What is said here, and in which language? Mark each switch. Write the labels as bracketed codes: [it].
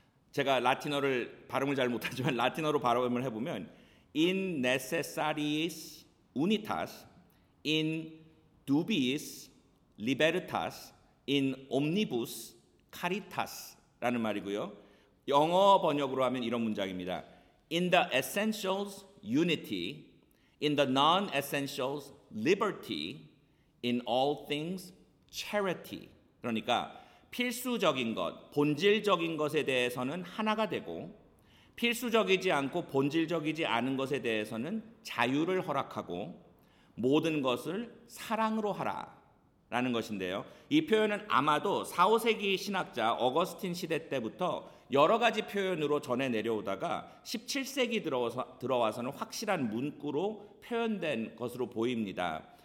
[ko] 제가 라틴어를 발음을 잘 못하지만 라틴어로 발음을 해보면 [la] in necessaris unitas, in dubiis libertas, in omnibus caritas [ko] 라는 말이고요. 영어 번역으로 하면 이런 문장입니다. [en] In the essentials unity, in the non-essentials liberty, in all things charity. [ko] 그러니까 필수적인 것, 본질적인 것에 대해서는 하나가 되고 필수적이지 않고 본질적이지 않은 것에 대해서는 자유를 허락하고 모든 것을 사랑으로 하라라는 것인데요. 이 표현은 아마도 4, 5세기 신학자 어거스틴 시대 때부터 여러 가지 표현으로 전해 내려오다가 17세기 들어와서는 확실한 문구로 표현된 것으로 보입니다.